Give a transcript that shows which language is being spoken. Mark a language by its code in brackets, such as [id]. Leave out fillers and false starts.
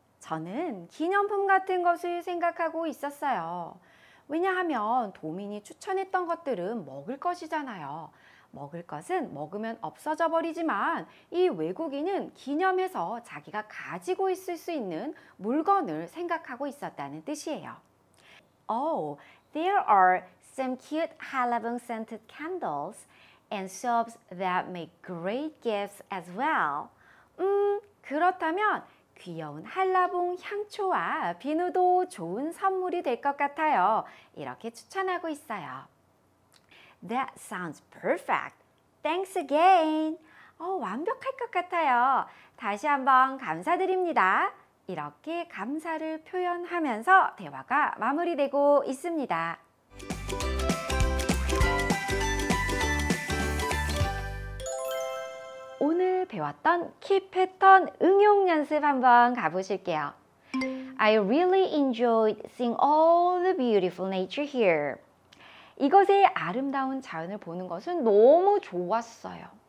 [ko] 저는 기념품 같은 것을 생각하고 있었어요. 왜냐하면 도민이 추천했던 것들은 먹을 것이잖아요. 먹을 것은 먹으면 없어져 버리지만 이 외국인은 기념해서 자기가 가지고 있을 수 있는 물건을 생각하고 있었다는 뜻이에요. [en] Oh, there are some cute halabong scented candles and soaps that make great gifts as well. [ko] 그렇다면 귀여운 한라봉 향초와 비누도 좋은 선물이 될 것 같아요. 이렇게 추천하고 있어요. [en] That sounds perfect. Thanks again. [ko] 완벽할 것 같아요. 다시 한번 감사드립니다. 이렇게 감사를 표현하면서 대화가 마무리되고 있습니다. 오늘 배웠던 키 패턴 응용 연습 한번 가보실게요. [en] I really enjoyed seeing all the beautiful nature here. [ko] 이곳의 아름다운 자연을 보는 것은 너무 좋았어요.